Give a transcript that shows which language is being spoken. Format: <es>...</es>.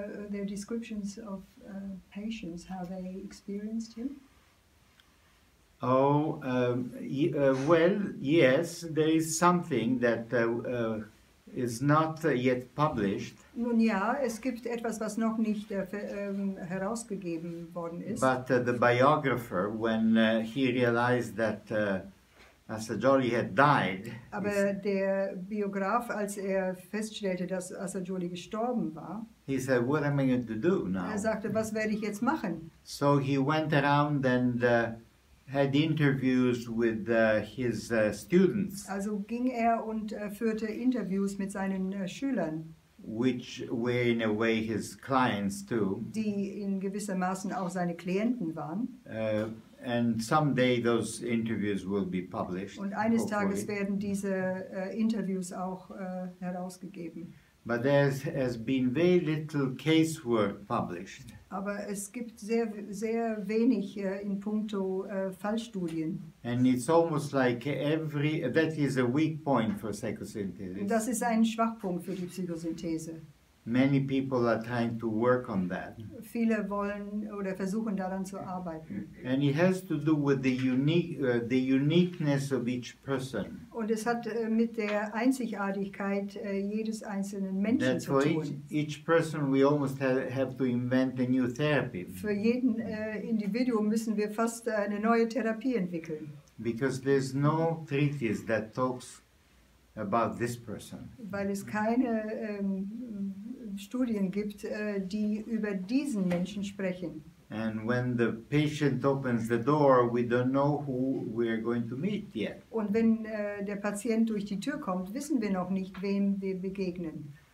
<en>Their descriptions of patients, how they experienced him? Well, yes, there is something that is not yet published.</en> <de>Nun ja, es gibt etwas, was noch nicht herausgegeben worden ist.</de> <en>But the biographer, when he realized that Assagioli had died.</en> <de>Aber der Biograf, als er feststellte, dass Assagioli gestorben war,</de> <en>he said, "What am I going to do now?"</en> <de>Er sagte, was werde ich jetzt machen?</de> <en>So he went around and had interviews with his students.</en> <de>Also ging er und führte Interviews mit seinen Schülern,</de> <en>which were in a way his clients too.</en> <de>Die in gewisser Maßen auch seine Klienten waren.</de> <en>And someday those interviews will be published.</en> <de>Und eines</de> <en>hopefully.</en> <de>Tages werden diese Interviews auch herausgegeben.</de> <en>But there has been very little casework published.</en> <de>Aber es gibt sehr, sehr wenig in puncto Fallstudien.</de> <en>And it's almost like every, that is a weak point for psychosynthesis.</en> <de>Und das ist ein Schwachpunkt für die Psychosynthese.</de> <en>Many people are trying to work on that.</en> <de>Viele wollen oder versuchen daran zu arbeiten.</de> <en>And it has to do with the uniqueness of each person.</en> <de>Und es hat mit der Einzigartigkeit jedes einzelnen Menschen</de> <en>that</en> <de>zu tun.</de> <en>Each person we almost have to invent a new therapy.</en> <de>Für jeden Individuum müssen wir fast eine neue Therapie entwickeln.</de> <en>Because there's no treatise that talks about this person.</en> <de>Weil es keine Studien gibt, die über diesen Menschen sprechen.</de> <en>And when the patient opens the door, we don't know who we are going to meet yet.</en> <de>Und wenn der Patient durch die Tür kommt, wissen wir noch nicht, wem wir begegnen.</de>